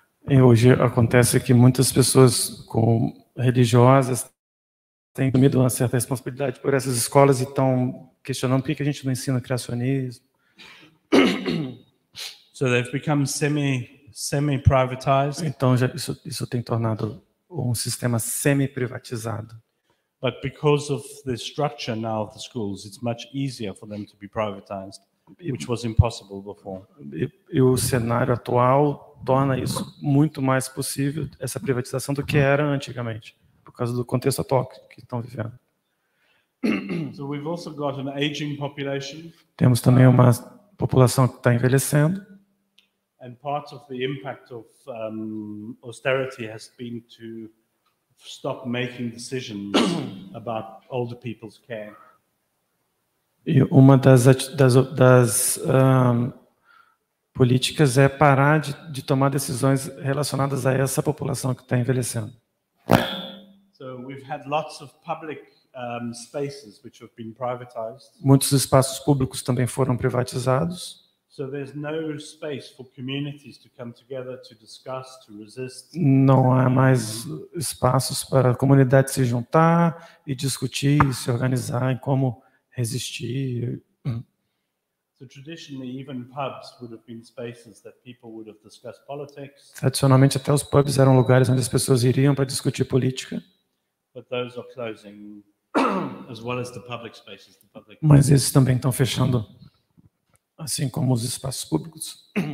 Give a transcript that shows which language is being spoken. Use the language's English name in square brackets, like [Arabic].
[Portuguese] E hoje acontece que muitas pessoas com religiosas têm assumido uma certa responsabilidade por essas escolas e estão questionando por que a gente não ensina criacionismo. [English] So they've become semi-privatized. [Portuguese] Então já isso tem tornado um sistema semi-privatizado. [English] But because of the structure now of the schools, it's much easier for them to be privatized, which was impossible before. [Portuguese] E o cenário atual torna isso muito mais possível, essa privatização, do que era antigamente, por causa do contexto atual que estão vivendo. [English] So we've also got an aging population. [Portuguese] Temos também uma população que está envelhecendo. [English] And part of the impact of austerity has been to stop making decisions about older people's care. [Portuguese] E uma das políticas é parar de tomar decisões relacionadas a essa população que está envelhecendo. [English] So we've had lots of public spaces which have been privatized. [Portuguese] Muitos espaços públicos também foram privatizados. [English] So there's no space for communities to come together to discuss, to resist. [Portuguese] Não há mais espaços para a comunidade se juntar e discutir, se organizar em como resistir. [English] So traditionally, even pubs would have been spaces that people would have discussed politics. [Portuguese] Tradicionalmente, até os pubs eram lugares onde as pessoas iriam para discutir política. [English] But those are closing, as well as the public spaces. The public. [Portuguese] Mas esses também estão fechando, assim como os espaços públicos.